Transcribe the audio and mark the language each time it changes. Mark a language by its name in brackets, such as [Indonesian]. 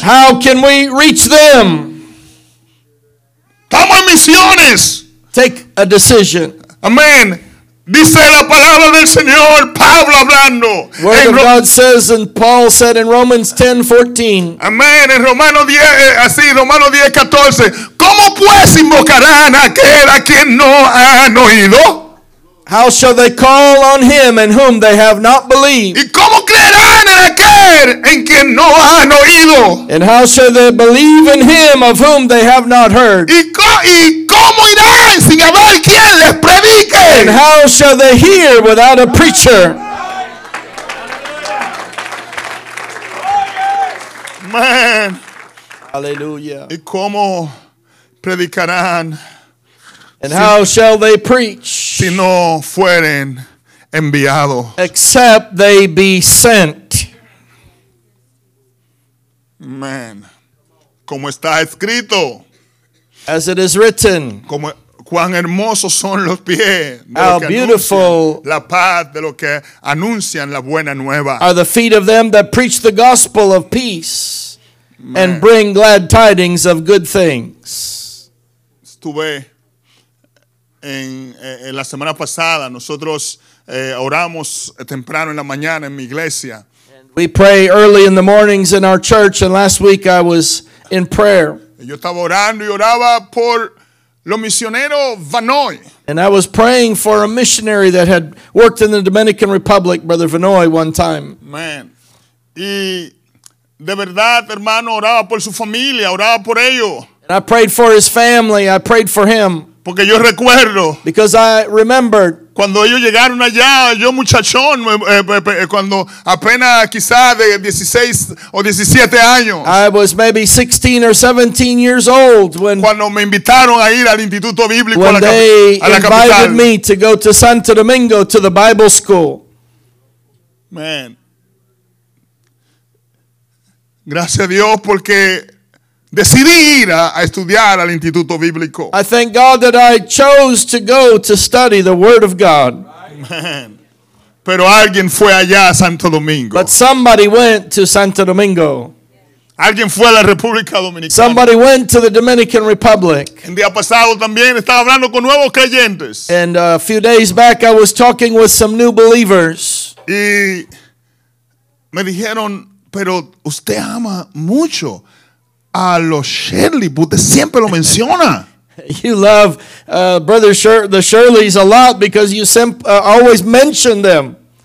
[English] How can we reach them? [Spanish] Estamos en misiones. [English] Take a decision. [Spanish] Amén. Dice la palabra del Señor, Pablo hablando. [English] Word of God says, and Paul said in Romans 10:14. [Spanish] Amén, en Romanos 10:14. ¿Cómo pues invocarán a aquel a quien no han oído? [English] How shall they call on him in whom they have not believed? [Spanish] ¿Y cómo creerán en aquel en quien no han oído? [English] And how shall they believe in him of whom they have not heard? [Spanish] ¿Y cómo irán sin haber quien les predique? [English] And how shall they hear without a preacher? Man. Hallelujah. [Spanish] ¿Y cómo predicarán? [English] And how shall they preach? [Spanish] Si no fueren enviado. [English] Except they be sent. [Spanish] Man. Como está escrito. [English] As it is written. [Spanish] Como cuán hermosos son los pies de [English] how beautiful [Spanish] la paz de los que anuncian la buena nueva. [English] Are the feet of them that preach the gospel of peace. Man. And bring glad tidings of good things. [Spanish] Estuve. En la semana pasada nosotros oramos temprano en la mañana en mi iglesia. [English] We pray early in the mornings in our church, and last week I was in prayer. [Spanish] Yo estaba orando y oraba por los misioneros Vanoy. [English] And I was praying for a missionary that had worked in the Dominican Republic, Brother Vanoy, one time. Man. [Spanish] Y de verdad, hermano, oraba por su familia, oraba por ellos. [English] And I prayed for his family, I prayed for him. [Spanish] Porque yo recuerdo. [English] Because I remembered. [Spanish] Cuando ellos llegaron allá, yo muchachón, cuando apenas quizás de 16 o 17 años. [English] I was maybe 16 or 17 years old when. [Spanish] Cuando me invitaron a ir al Instituto Bíblico [English] when [Spanish] a la capital. [English] When they invited me to go to Santo Domingo to the Bible school. Man. [Spanish] Gracias a Dios porque. Decidí ir a estudiar al Instituto Bíblico. [English] I thank God that I chose to go to study the Word of God. [Spanish] Man. Pero alguien fue allá a Santo Domingo. [English] But somebody went to Santo Domingo. [Spanish] Alguien fue a la República Dominicana. [English] Somebody went to the Dominican Republic. [Spanish] El día pasado también estaba hablando con nuevos creyentes. [English] And a few days back I was talking with some new believers. [Spanish] Y me dijeron, pero usted ama mucho. A los Shirley, usted siempre lo menciona. [English] You love Brother the Shirleys a lot because you always mention them.